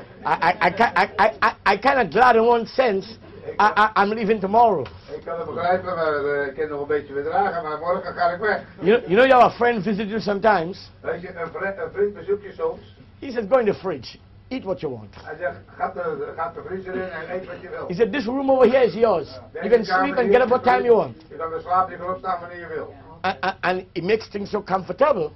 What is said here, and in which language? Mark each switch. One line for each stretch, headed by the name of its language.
English: I kind of glad in one sense. I'm leaving tomorrow.
Dutch: Ik kan het begrijpen, maar ik kan nog een beetje verdragen, maar morgen ga ik weg.
English: You know you have a friend visit you sometimes.
Dutch: Weet je, een vriend bezoekt je soms.
English: He says, go in the fridge. Eat what you want.
Dutch: Hij zegt, gaat de vriezer in en eet wat je wilt.
English: He said, this room over here is yours. You can sleep and get up what time you want.
Dutch: Je kan weer slapen, je kan opstaan wanneer je wil.
English: And it makes things so comfortable.